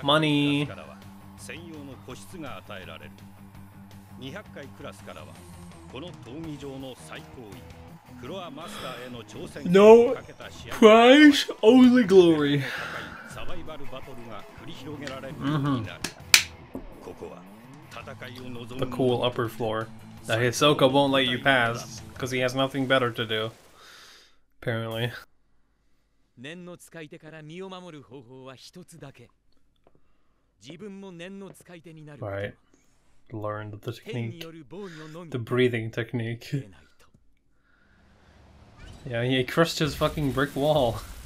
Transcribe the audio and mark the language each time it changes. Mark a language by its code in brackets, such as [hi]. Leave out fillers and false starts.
[ja] クラスからは専用の個室が与えられる。 200階クラスからはこの闘技場の最高位、フロアマスターへの挑戦権をかけた試合。 [en] No prize, only glory. [ja] サバイバルバトルが繰り広げられるようになる。ここは戦いを望む。 [en] The cool upper floor that Hisoka won't let you pass because he has nothing better to do, apparently. [ja] 念の使い手から身を守る方法は一つだけ。自分も念の使い手になる。 [en] Right. Learned the technique. The breathing technique. Yeah, he crushed his fucking brick wall.